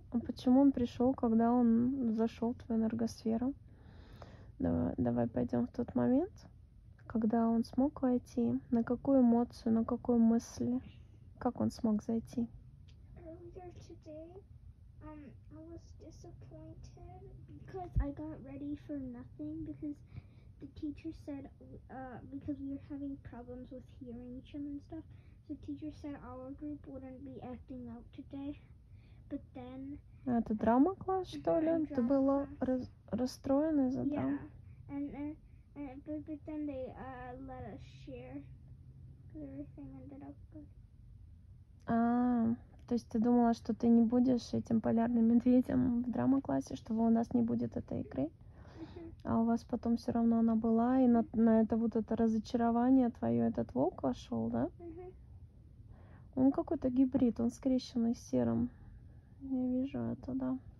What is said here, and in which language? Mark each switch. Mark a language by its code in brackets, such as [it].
[ru] А почему он пришел, когда он зашел в твою энергосферу? Давай пойдем в тот момент. Когда он смог войти, на какую эмоцию, на какую мысль, как он смог зайти? [en] Earlier today, I was disappointed because I got ready for nothing because the teacher said, because we were having problems with hearing each other and stuff, the teacher said our group wouldn't be acting out today, but then... [ru] Это драма класс, что ли? Ты была расстроена из-за драмы? [en] Yeah, and then... But then they let us share, because everything ended up good. [ru] А, то есть ты думала, что ты не будешь этим полярным медведем в драма-классе, что у нас не будет этой игры? А у вас потом все равно она была, и на это вот это разочарование твое этот волк вошел, да? Он какой-то гибрид, он скрещенный с серым. Я вижу это, да.